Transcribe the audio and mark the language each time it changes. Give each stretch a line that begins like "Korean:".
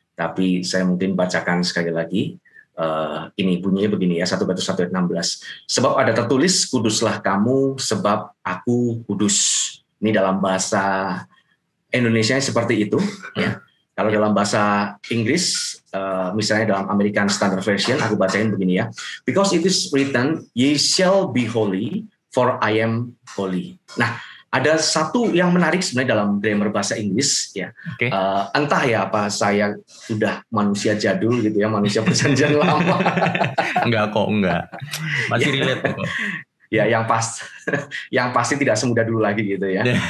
Indonesian: Tapi saya mungkin bacakan sekali lagi. Ini bunyinya begini ya, 1 Petrus 1 ayat 16. Sebab ada tertulis, kuduslah kamu sebab aku kudus. Ini dalam bahasa Indonesia seperti itu ya. Kalau dalam bahasa Inggris, misalnya dalam American Standard Version, aku bacain begini ya.
English: Because it is written, ye shall be holy, for I am holy.
Indonesian: Nah, ada satu yang menarik sebenarnya dalam grammar bahasa Inggris. Ya. Okay. Entah ya apa saya sudah manusia jadul gitu ya, manusia perjanjian lama. Enggak kok. Masih relate kok. Ya, yang pasti tidak semudah dulu lagi gitu ya.